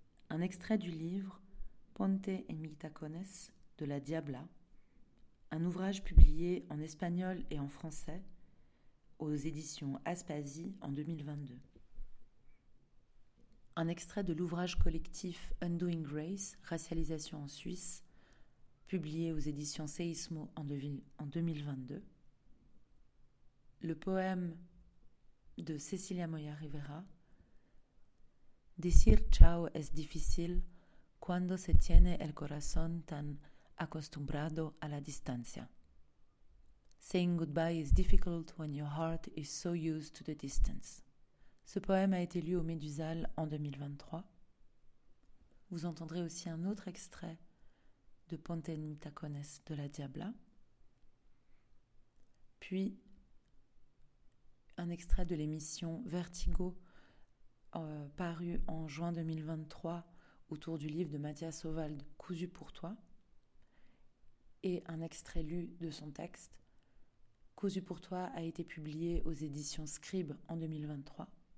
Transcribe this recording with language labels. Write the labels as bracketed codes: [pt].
[fr] Un extrait du livre « Ponte en mis tacones » de la Diabla, un ouvrage publié en espagnol et en français aux éditions Aspasie en 2022. Un extrait de l'ouvrage collectif « Undoing Race, racialisation en Suisse » publié aux éditions Seismo en 2022. Le poème de [es] Cecilia Moya Rivera, Decir ciao es difícil cuando se tiene el corazón tan acostumbrado a la distancia. [en] Saying goodbye is difficult when your heart is so used to the distance. [fr] Ce poème a été lu au Médusal en 2023. Vous entendrez aussi un autre extrait de Ponte en mis tacones de la Diabla, puis un extrait de l'émission Vertigo paru en juin 2023 autour du livre de Mathias Sauvald « Cousu pour toi » et un extrait lu de son texte « Cousu pour toi » a été publié aux éditions Scribe en 2023.